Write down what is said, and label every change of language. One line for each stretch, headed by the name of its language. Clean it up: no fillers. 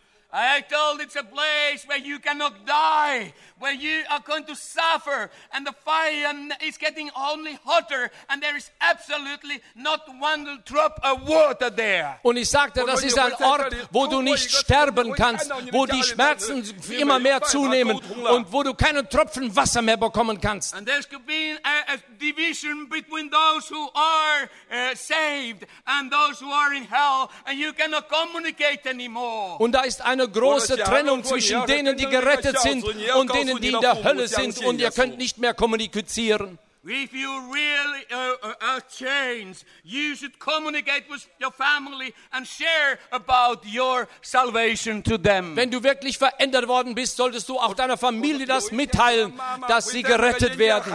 English: I told it's a place where you cannot die, where you are going to suffer, and the fire is getting only hotter, and there is absolutely not one drop of water there.
German: Und ich sagte, das ist ein Ort, wo du nicht sterben kannst, wo die Schmerzen immer mehr zunehmen und wo du keinen Tropfen Wasser mehr bekommen kannst.
English: And there could be a division between those who are saved and those who are in hell, and you cannot communicate anymore.
German: Und da ist eine große Trennung zwischen denen, die gerettet sind, und denen, die in der Hölle sind, und ihr könnt nicht mehr kommunizieren.
English: If you really are changed, you should communicate with your family and share about your salvation to them.
German: Wenn du wirklich verändert worden bist, solltest du auch deiner Familie das mitteilen, dass sie gerettet werden.